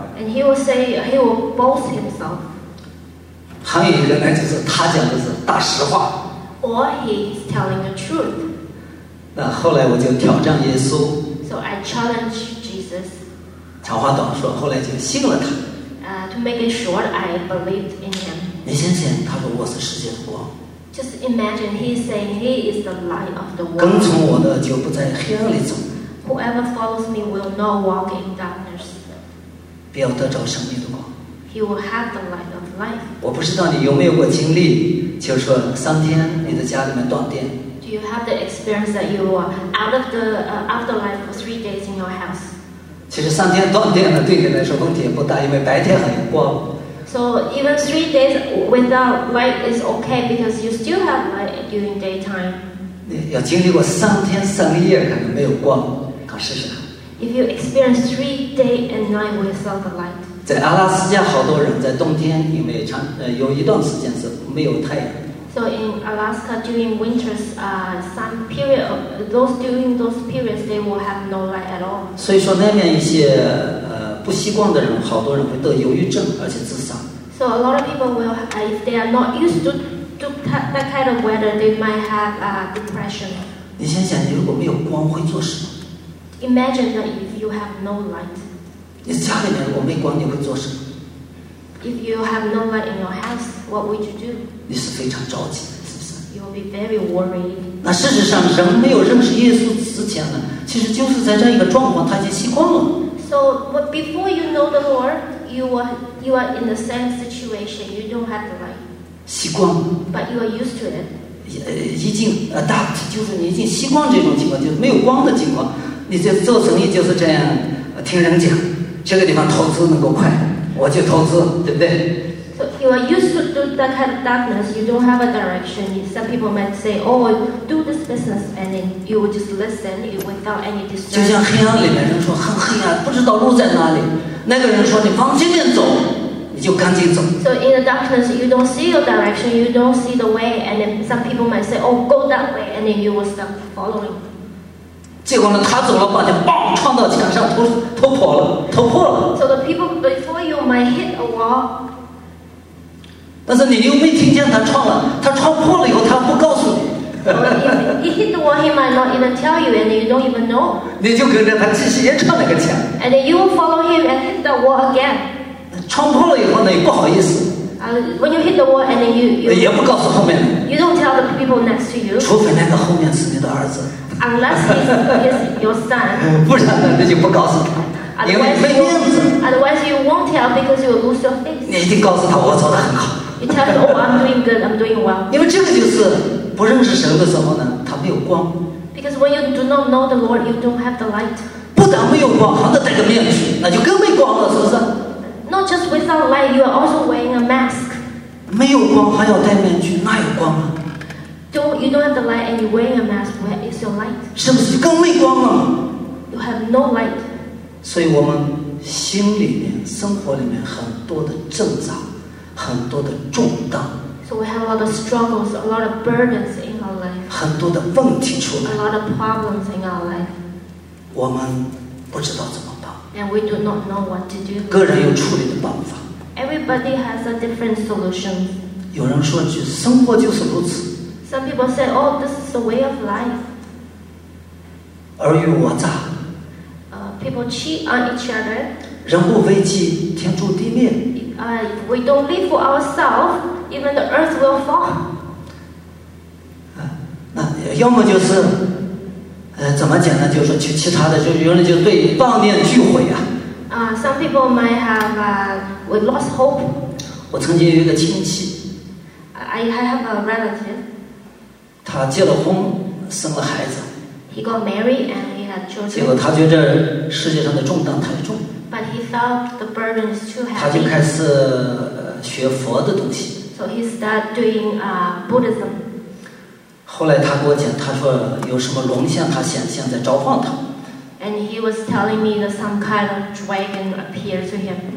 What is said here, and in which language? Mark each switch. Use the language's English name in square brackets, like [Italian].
[English] And he will say he will boast himself. [Chinese] 还有一个呢，就是他讲的是大实话。 [English] Or he is telling the truth. [Chinese] 那后来我就挑战耶稣。 [English] So I challenge Jesus. [Chinese] 长话短说，后来就信了他。 [English] To make it short, I believed in him. [Chinese] 你想想，他说我是世界的光。 [English] Just imagine he's saying he is the light of the world. [Chinese] 跟从我的就不在黑暗里走。 [English] Whoever follows me will not walk in darkness. [Chinese] 必要得着生命的光。 [English] He will have the light of life. [Chinese] 我不知道你有没有过经历，就是说三天你的家里面断电。 [English] Do you have the experience that you are out of the afterlife for 3 days in your house? [Chinese] 其实三天断电呢，对你来说问题也不大，因为白天很光。 [English] So even 3 days without light is okay because you still have light during daytime. [Chinese] 要经历过三天三夜可能没有光，搞试试。 [English] If you experience 3 days and night without the light. [Chinese] 在阿拉斯加，好多人在冬天因为长有一段时间是没有太阳。 [English] So in Alaska during winters, some period of those during those periods they will have no light at all. [Chinese] 所以说那边一些不习惯的人，好多人会得忧郁症，而且自杀。 [English] So a lot of people will, if they are not used to that kind of weather, they might have depression. [Chinese] 你想想，你如果没有光会做什么 [English] ？Imagine that if you have no light. [Chinese] 你家里面如果没光，你会做什么 [English] ？If you have no light in your house, what would you do? [Chinese] 你是非常着急的，是不是 [English] ？You will be very worried. [Chinese] 那事实上，人没有认识耶稣之前呢，其实就是在这样一个状况，他已经习惯了。 [English] So, but before you know the Lord, you are in the same situation. You don't have the light. [Chinese] 习惯。 [English] But you are used to it. [Chinese] 已经 adapt， 就是你已经习惯这种情况，就是没有光的情况。你这做生意就是这样，听人讲，这个地方投资能够快，我就投资，对不对 [English] ？So you are used to do that kind of darkness. You don't have a direction. Some people might say, "Oh, do this business," and then you will just listen without any distraction. [Chinese] 就像黑暗里面人说很黑暗，不知道路在哪里。那个人说你往这边走，你就赶紧走。 [English] So in the darkness, you don't see your direction. You don't see the way, and then some people might say, "Oh, go that way," and then you will start following. [Chinese] 结果呢，他走了半天，嘣，撞到墙上，头破了。 [English] So the people before you might hit a wall. [Chinese] 但是你又没听见他撞了，他撞破了以后，他不告诉你。 [English] He hit the wall, he might not even tell you, and you don't even know. [Chinese] 你就跟着他继续也撞了个墙。 [English] And then you will follow him and hit the wall again. [Chinese] 撞破了以后呢，也不好意思。 [English] When you hit the wall, and then you [Chinese] 也不告诉后面。 [English] You don't tell the people next to you. [Chinese] 除非那个后面是你的儿子。 [English] Unless he's your son. [Chinese] 不然呢，那就不告诉他。因为没面子。 [English] Otherwise, you won't tell because you will lose your face. [Chinese] 你一定告诉他，我做得很好。 [English] You tell them, "Oh, I'm doing good. I'm doing well." [Chinese] 因为这个就是不认识神的时候呢，他没有光。 [English] Because when you do not know the Lord, you don't have the light. [Chinese] 不但没有光，还得戴个面具，那就更没光了，是不是 [English] ？Not just without light, you are also wearing a mask. [Chinese] 没有光还要戴面具，哪有光啊 [English] ？You don't have the light and you're wearing a mask. Where is your light? [Chinese] 是不是更没光了 [English] ？You have no light. [Chinese] 所以我们心里面、生活里面很多的挣扎。很多的重担 [English] ，so we have a lot of struggles, a lot of burdens in our life. [Chinese] 很多的问题出来 [English] ，a lot of problems in our life. [Chinese] 我们不知道怎么办 [English] ，and we do not know what to do. [Chinese] 个人有处理的办法 [English] ，everybody has a different solution. [Chinese] 有人说句，生活就是如此 [English] ，some people say, oh, this is the way of life. [Chinese] 尔虞我诈 [English] ，people cheat on each other. [Chinese] 人不为己，天诛地灭。 [English] We don't live for ourselves, even the earth will fall. [Chinese] 那要么就是，怎么讲呢？就是其他的，就有人就对妄念俱毁呀。 [English] Some people might have we lost hope. [Chinese] 我曾经有一个亲戚。 [English] I have a relative. [Chinese] 他结了婚，生了孩子。 [English] He got married and he had children. [Chinese] 结果他觉得世界上的重担太重。 [English] But he thought the burden is too heavy. [Chinese] 他就开始学佛的东西。 [English] So he started doing Buddhism. [Chinese] 后来他跟我讲，他说有什么龙象，他显现在召唤他。 [English] And he was telling me that some kind of dragon appeared to him.